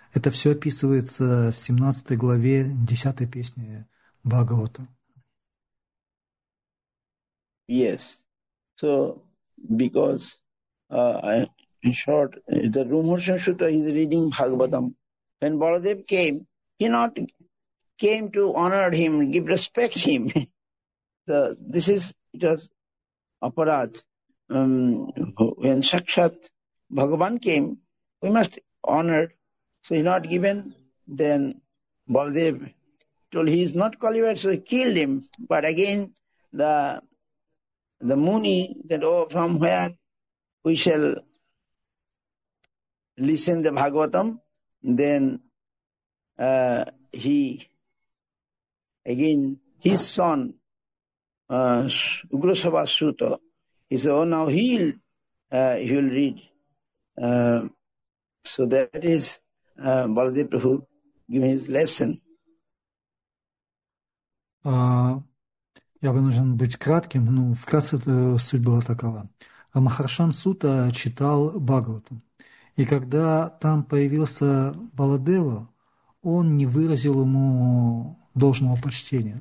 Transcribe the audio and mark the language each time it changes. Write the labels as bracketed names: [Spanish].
[Russian] Это все описывается в 17 главе 10 песни Бхагавата. [English] Yes. So, because in short, the Rumharshan Shuta is reading Bhagavatam. When Baladev came, he not came to honor him, give respect to him. So, this is, it was aparad. When Sakshat Bhagavan came, we must honor. So, he not given, then Baladev told he is not qualified, so he killed him. But again, the Muni, that, oh, from where we shall listen the Bhagavatam, then his son, Ugrasava Suta, he said, oh, now he'll read. So that is Baladev Prabhu giving his lesson. [Russian] Я вынужден быть кратким, но вкратце суть была такова. Махаршан Сута читал Бхагаватам. И когда там появился Баладева, он не выразил ему должного почтения.